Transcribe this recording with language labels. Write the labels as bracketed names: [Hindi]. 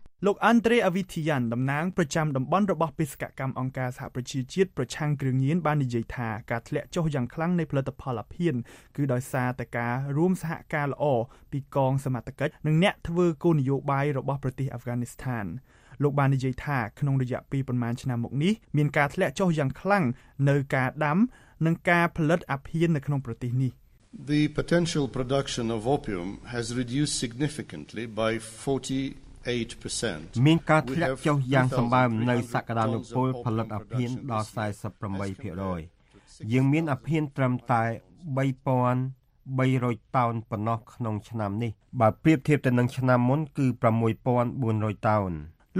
[Khmer] លោកអាន់ត្រេអវិធីយ៉ានតំណាងប្រចាំតំបន់របស់បេសកកម្មអង្គការសហប្រជាជាតិប្រឆាំងគ្រឿងញៀនបាននិយាយថាការធ្លាក់ចុះយ៉ាងខ្លាំងនៃផលិតផលអាភៀនគឺដោយសារតែការរួមសហការល្អពីកងសមត្ថកិច្ចនិងអ្នកធ្វើគោលនយោបាយរបស់ប្រទេសអាហ្វហ្គានីស្ថានលោកបាននិយាយថាក្នុងរយៈពេលប៉ុន្មានឆ្នាំមកនេះមានការធ្លាក់ចុះយ៉ាងខ្លាំងនៅការដាំនិងការផលិតអាភៀននៅក្នុងប្រទេសនេះ [English] The potential production of opium has reduced significantly by 48%. [Khmer] មានការធ្លាក់ចុះយ៉ាងសម្បើមនៅសក្តានុពលផលិតអាភៀនដល់ 48%. យើងមានអាភៀនត្រឹមតែ 3,300 តោនប៉ុណ្ណោះក្នុងឆ្នាំនេះបើប្រៀបធៀបទៅនឹងឆ្នាំមុនគឺ 6,400 តោន។